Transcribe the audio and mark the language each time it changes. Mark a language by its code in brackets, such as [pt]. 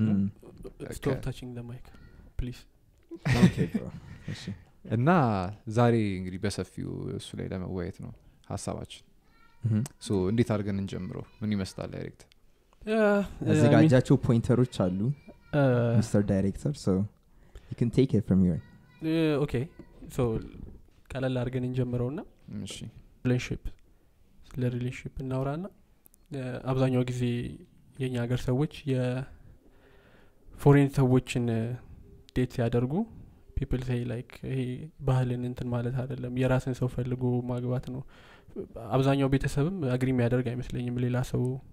[am] ነው [en] stop touching the mic please okay bro [am] እሺ እና ዛሬ እንግዲህ በሰፊው እሱ ላይ ለመወያየት ነው ሐሳባችን [en] so [am] እንዴት አድርገን እንጀምረው ምን ይመስላል ዳይሬክተር እዚህ ጋር ያጫቸው ፖይንተሮች አሉ Mr. [en] Director so you can take it from here okay so [am] ቀላል አድርገን እንጀምረውና እሺ relationship ስለ relationship እናውራና አብዛኛው ጊዜ የኛ ሀገር ሰዎች የ foreign ሰዎችን ዴት ያደርጉ [en] people say like [am] ይሄ ባህልን እንትን ማለት አይደለም የራስን ሰው ፈልጎ ማግባት ነው አብዛኛው ቤተሰብም [en] agree [am] ያደርጋ አይመስለኝም ሌላ ሰው